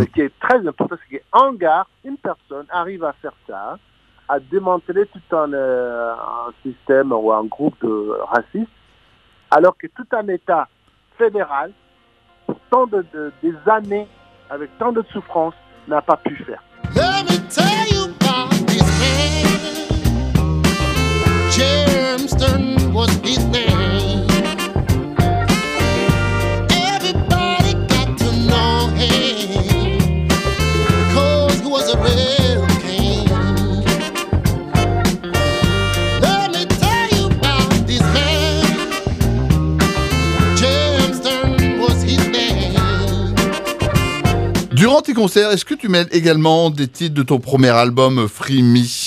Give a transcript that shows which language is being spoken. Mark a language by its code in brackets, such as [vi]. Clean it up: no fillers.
[fr] Ce qui est très important, c'est qu'un gars, une personne, arrive à faire ça, à démanteler tout un système ou un groupe de racistes, alors que tout un État fédéral, pour tant des années, avec tant de souffrances, n'a pas pu faire. [en] Let me tell you about this man. James Stern was his name. Everybody got to know him, 'cause he was a real king. Let me tell you about this man. James Stern was his name. [fr] Durant tes concerts, est-ce que tu mêles également des titres de ton premier album Free Me?